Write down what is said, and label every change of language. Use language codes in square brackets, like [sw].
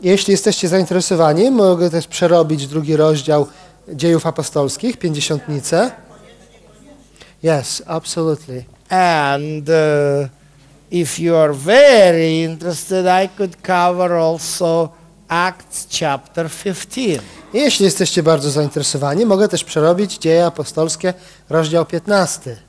[pl] Jeśli jesteście zainteresowani, mogę też przerobić drugi rozdział Dziejów Apostolskich, Pięćdziesiątnice. [en] Yes, absolutely. And if you are very interested, I could cover also Acts chapter 15. [pl] Jeśli jesteście bardzo zainteresowani, mogę też przerobić Dzieje Apostolskie, rozdział 15.